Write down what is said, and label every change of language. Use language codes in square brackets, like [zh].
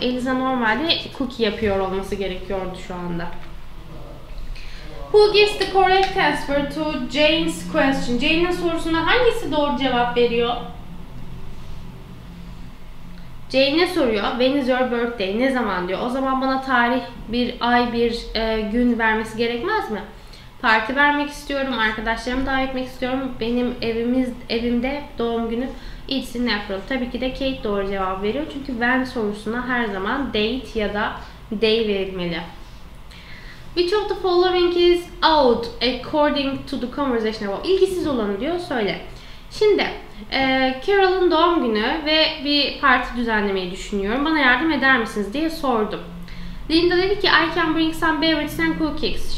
[tr] Eliza normalde cookie yapıyor olması gerekiyordu şu anda. [en] Who gives the correct answer to Jane's question? [tr] Jane'in sorusuna hangisi doğru cevap veriyor? Jane ne soruyor? [en] When is your birthday? [tr] Ne zaman diyor. O zaman bana tarih, bir ay, bir gün vermesi gerekmez mi? Parti vermek istiyorum, arkadaşlarımı davet etmek istiyorum. Benim evimde doğum günü. [en] It's in April. [tr] Tabii ki de Kate doğru cevap veriyor. Çünkü when sorusuna her zaman date ya da day verilmeli. [en] Which of the following is out according to the conversation about? [tr] İlgisiz olanı diyor, söyle. Şimdi Carol'ın doğum günü ve bir parti düzenlemeyi düşünüyorum. Bana yardım eder misiniz diye sordum. Linda dedi ki [en] I can bring some beverages and cookies.